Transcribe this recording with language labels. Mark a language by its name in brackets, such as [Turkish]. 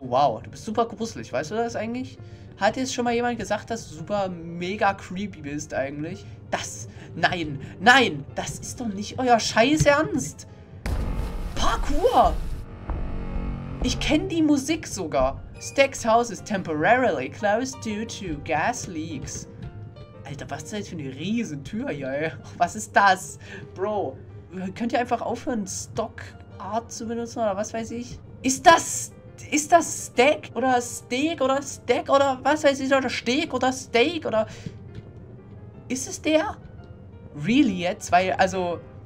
[German] Wow, du bist super gruselig, weißt du das eigentlich? Hat jetzt schon mal jemand gesagt, dass du super mega creepy bist eigentlich? Nein, das ist doch nicht euer scheiß Ernst. Parkour. Ich kenne die Musik sogar. [English] Stack's House is temporarily closed due to gas leaks. [German] Alter, was ist das für eine riesen Tür hier, ey? Was ist das? Bro, könnt ihr einfach aufhören, Stock Art zu benutzen oder was weiß ich? Ist das Steak oder Steak oder Steak oder was weiß ich? Oder Steak oder Steak oder... Ist es der? [English] Really [German] jetzt? Weil, also...